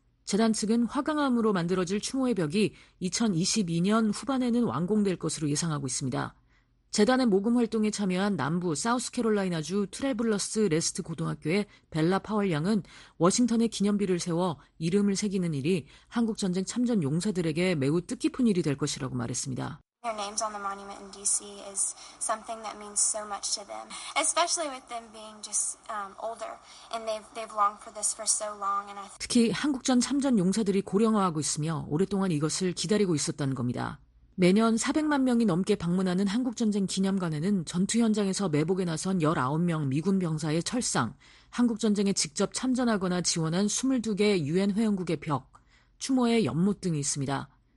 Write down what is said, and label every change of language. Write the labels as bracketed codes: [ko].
[ko] 재단 측은 화강암으로 만들어질 추모의 벽이 2022년 후반에는 완공될 것으로 예상하고 있습니다. 재단의 모금 활동에 참여한 남부 사우스캐롤라이나주 트래블러스 레스트 고등학교의 벨라 파월 양은 워싱턴에 기념비를 세워 이름을 새기는 일이 한국전쟁 참전 용사들에게 매우 뜻깊은 일이 될 것이라고 말했습니다. [en] Their names on the monument in D.C. is something that means so much to them, especially with them being just older and they've longed for this for so long. And I [ko] 특히 한국전 참전 용사들이 고령화하고 있으며 오랫동안 이것을 기다리고 있었다는 겁니다. 매년 400만 명이 넘게 방문하는 한국전쟁 기념관에는 전투 현장에서 매복에 나선 19명 미군 병사의 철상, 한국전쟁에 직접 참전하거나 지원한 22개 유엔 회원국의 벽, 추모의 연못 등이 있습니다.